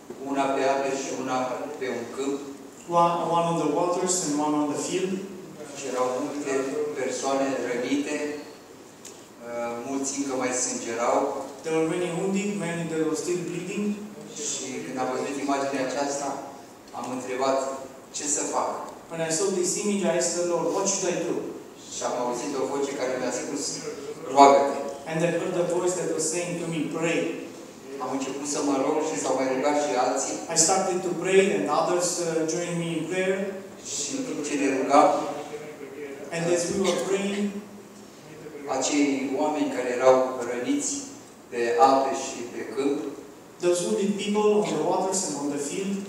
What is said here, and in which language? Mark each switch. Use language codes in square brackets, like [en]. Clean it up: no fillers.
[ro] Una pe ape și una pe un câmp. [en] One on the waters and one on the field. [ro] Și erau multe persoane rănite. Mulți încă mai sângerau. [en] There were many wounded, many that were still bleeding. [ro] Și când am văzut imaginea aceasta, am întrebat ce să fac. [en] When I saw this image, I asked the Lord, what should I do? [ro] Și am auzit o voce care mi-a spus, roagă-te. [en] And I heard a voice that was saying to me, pray. [ro] Am început să mă rog și s-au mai rugat și alții. [en] I started to pray and others joined me in prayer. [ro] Și în timp ce ne rugam, [en] and as we were praying, [ro] acei oameni care erau răniți pe ape și pe câmp, [en] those wounded people on the waters and on the field,